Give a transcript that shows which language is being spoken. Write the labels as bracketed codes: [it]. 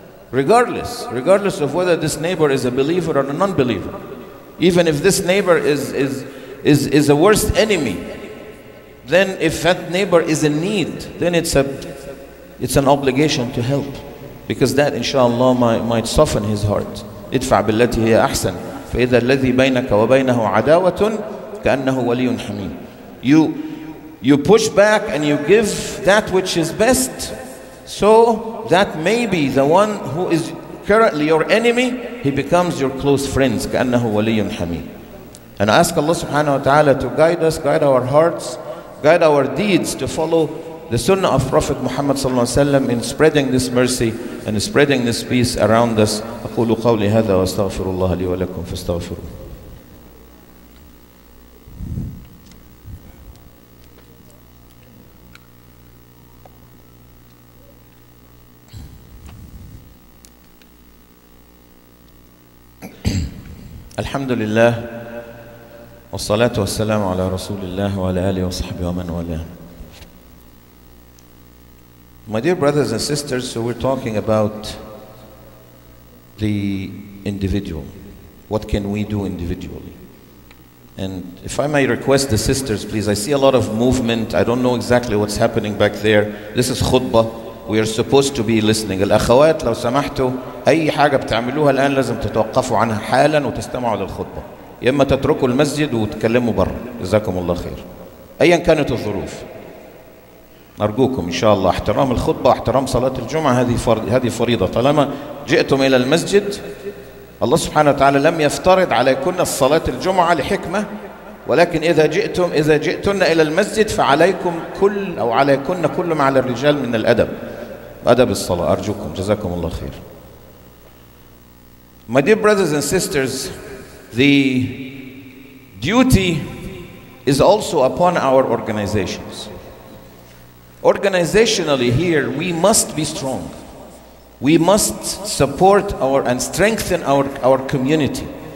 [en] Regardless of whether this neighbor is a believer or a non-believer, even if this neighbor is a worst enemy, then if that neighbor is in need, then it's an obligation to help, because that inshallah might soften his heart. [ar] ادفع بالتي هي احسن فاذا الذي بينك وبينه عداوه كانه ولي حميم. [en] You push back and you give that which is best, so that maybe the one who is currently your enemy, he becomes your close friends. [ar] كأنه ولي حميد. [en] And ask Allah subhanahu wa ta'ala to guide us, guide our hearts, guide our deeds to follow the sunnah of Prophet Muhammad sallallahu alayhi wa sallam in spreading this mercy and spreading this peace around us. [ar] أقول قولي هذا وأستغفر الله لي ولكم فاستغفروه. الحمد لله والصلاة والسلام على رسول الله وعلى آله وصحبه ومن والاه. [en] My dear brothers and sisters, so we're talking about the individual. What can we do individually? And if I may request the sisters, please, I see a lot of movement. I don't know exactly what's happening back there. This is khutbah. We are supposed to be listening. [ar] الأخوات لو سمحتوا أي حاجة بتعملوها الآن لازم تتوقفوا عنها حالا وتستمعوا للخطبة. يا إما تتركوا المسجد وتكلموا برا. جزاكم الله خير. أيا كانت الظروف. أرجوكم إن شاء الله احترام الخطبة احترام صلاة الجمعة هذه فريضة. طالما جئتم إلى المسجد الله سبحانه وتعالى لم يفترض عليكن الصلاة الجمعة لحكمة. ولكن إذا جئتن إلى المسجد فعليكم كل أو عليكن كل ما على الرجال من الأدب أدب الصلاة أرجوكم جزاكم الله خير. [en] My dear brothers and sisters, the duty is also upon our organizations. Organizationally here we must be strong. We must support our and strengthen our community.